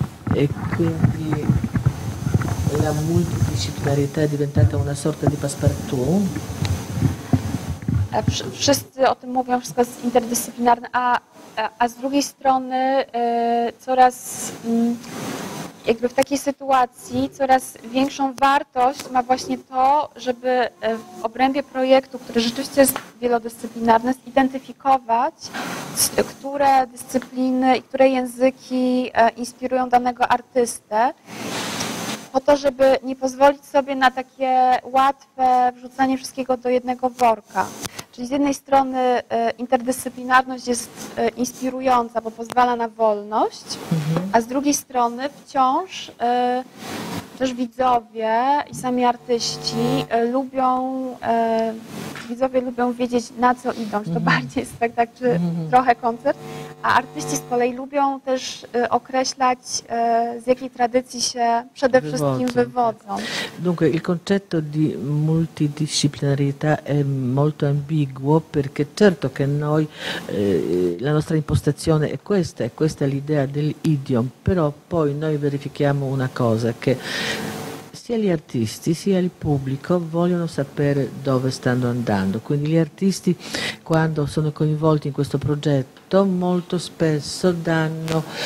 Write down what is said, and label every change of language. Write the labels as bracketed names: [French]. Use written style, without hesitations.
[Italian] E quindi la multidisciplinarietà è diventata una sorta di passepartout. [Polish] Wszyscy o tym mówią, wszystko jest interdyscyplinarne, a z drugiej strony coraz jakby w takiej sytuacji coraz większą wartość ma właśnie to, żeby w obrębie projektu, który rzeczywiście jest wielodyscyplinarny, zidentyfikować, które dyscypliny i które języki inspirują danego artystę, po to, żeby nie pozwolić sobie na takie łatwe wrzucanie wszystkiego do jednego worka. Czyli z jednej strony interdyscyplinarność jest inspirująca, bo pozwala na wolność, a z drugiej strony wciąż też widzowie i sami artyści lubią, widzowie lubią wiedzieć, na co idą, czy to bardziej spektakl, czy trochę koncert, a artyści z kolei lubią też określać, z jakiej tradycji się przede wszystkim wywodzą. [Italian] Dunque, il concetto di multidisciplinarietà è molto ambiguo, perché certo che noi, la nostra impostazione è questa l'idea dell'idiom, però poi noi verifichiamo una cosa, che sia gli artisti sia il pubblico vogliono sapere dove stanno andando, quindi gli artisti quando sono coinvolti in questo progetto molto spesso danno